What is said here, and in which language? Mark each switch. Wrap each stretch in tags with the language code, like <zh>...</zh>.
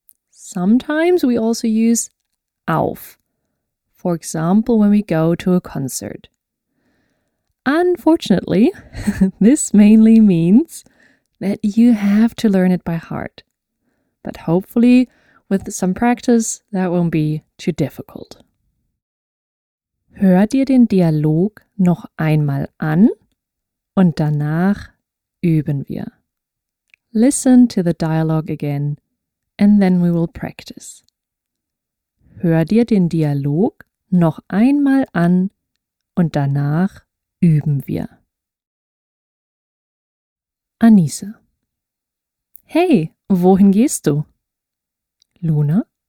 <en>Sometimes we also use auf, for example, when we go to a concert. Unfortunately, this mainly means that you have to learn it by heart. But hopefully, with some practice, that won't be too difficult.</en> <de>Hör dir den Dialog noch einmal an und danach üben wir.</de> <en>Listen to the dialogue again and then we will practice.</en> <de>Hör dir den Dialog noch einmal an und danach üben wir. Anissa. Hey, wohin gehst du? Luna.</de>